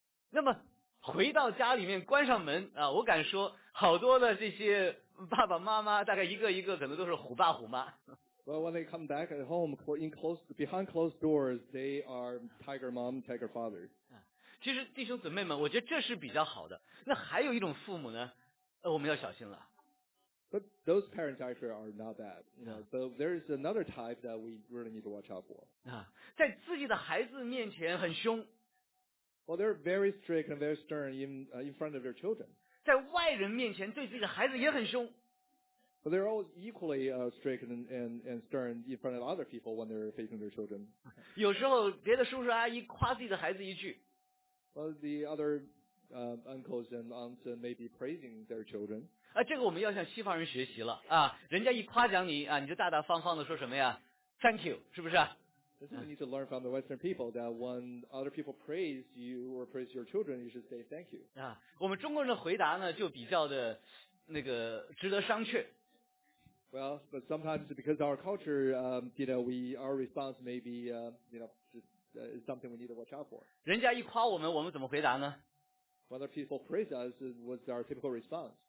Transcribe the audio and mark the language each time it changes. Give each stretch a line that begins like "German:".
Chinese: 那么回到家里面关上门啊，我敢说好多的这些爸爸妈妈大概一个一个可能都是虎爸虎妈。
English: Well, when they come back at home, behind closed doors, they are tiger mom, tiger father.
Chinese: 其实弟兄姊妹们，我觉得这是比较好的。那还有一种父母呢，我们要小心了。
English: But those parents actually are not bad. You know, so there is another type that we really need to watch out for.
Chinese: 在自己的孩子面前很凶。
English: Well, they're very strict and very stern in front of their children.
Chinese: 在外人面前对自己的孩子也很凶。
English: But they're all equally strict and stern in front of other people when they're facing their children.
Chinese: 有时候别的叔叔阿姨夸自己的孩子一句。
English: Well, the other uncles and aunts may be praising their children.
Chinese: 啊，这个我们要向西方人学习了啊！人家一夸奖你啊，你就大大方方的说什么呀 ？
English: Thank you，
Chinese: 是不是
English: ？This is we need to learn from the Western people that when other people praise you or praise your children, you should say thank you。
Chinese: 啊，我们中国人的回答呢，就比较的那个值得商榷。
English: Well, but sometimes because our culture, you know, our response may be, you know, is something we need to watch out for。
Chinese: 人家一夸我们，我们怎么回答呢
English: ？When other people praise us, what's our typical response?